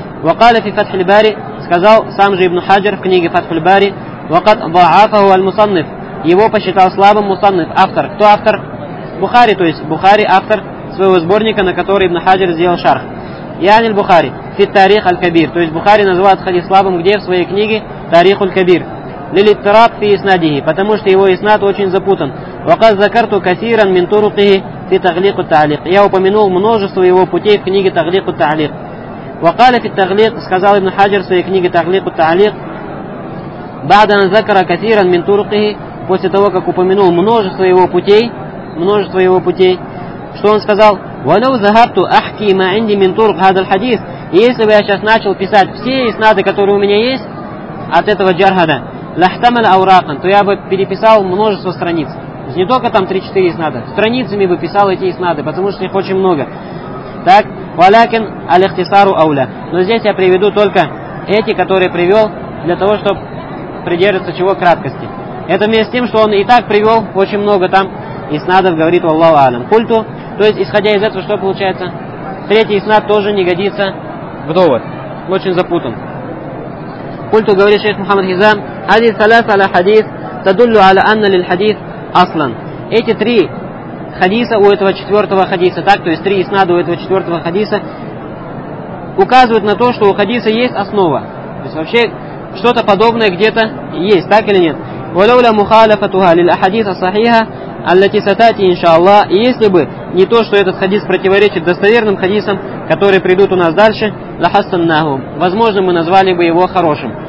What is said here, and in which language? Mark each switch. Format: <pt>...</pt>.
<ar>وقال في فتح الباري,</ar> <ru>сказал сам же Ибн Хаджар в книге Фатх аль-Бари,</ru> <ar>وقد ضعفه المصنف,</ar> <ru>его посчитал слабым мусаннаф, автор. Кто автор? Бухари, то есть Бухари, автор своего сборника, на который Ибн Хаджар сделал шарх. Яни аль-Бухари</ru> <ar>في التاريخ الكبير,</ar> <ru>то есть Бухари называет хадис слабым, где? В своей книге تاريخ الكبير.</ru> <ar>للاضطراب في اسناده,</ar> <ru>потому что его иснад очень запутан.</ru> <ar>وقد ذكرت كثيرا من طرقه في تغليق التعليق,</ar> <ru>я упомянул множество его путей в книге تغليق التعليق.</ru> <ar>وقال في التغليق,</ar> <ru>сказал Ибн Хаджар в своей книге تغليق التعليق,</ru> <ar>بعد أن ذكر كثيرا من طرقه,</ar> <ru>после того как упомянул множество его путей, множество его путей, что он сказал,</ru> <ar>ولو ذهبت أحكي ما عندي من طرق هذا الحديث,</ar> <ru>если бы я сейчас начал писать все иснады, которые у меня есть от этого джархада,</ru> <ar>لحتمل أوراقا,</ar> <ru>то я бы переписал множество страниц. Не только там 3-4 иснада, страницами бы писал эти иснады, потому что их очень много. Так,</ru> <ar>ولكن الاختصار أولى,</ar> <ru>но здесь я приведу только эти, которые привел, для того чтобы придерживаться чего? Краткости. Это вместе с тем, что он и так привел очень много там иснадов, говорит Аллаху Алам. Культу, то есть исходя из этого, что получается? Третий иснад тоже не годится в довод. Очень запутан. Культу, говорит шейх Мухаммад Хизам,</ru> <ar>هذه الثلاثة على حديث تدل على أن للحديث أصلا.</ar> <ru>Эти три хадиса у этого четвертого хадиса, так, то есть три иснада у этого четвертого хадиса, указывают на то, что у хадиса есть основа. То есть вообще что-то подобное где-то есть, так или нет?</ru> <ar>ولولا مخالفتها للأحاديث الصحيحة التي ستأتي إن شاء الله,</ar> <ru>если бы не то, что этот хадис противоречит достоверным хадисам, которые придут у нас дальше,</ru> <ar>لحسنناه,</ar> <ru>возможно, мы назвали бы его хорошим.</ru>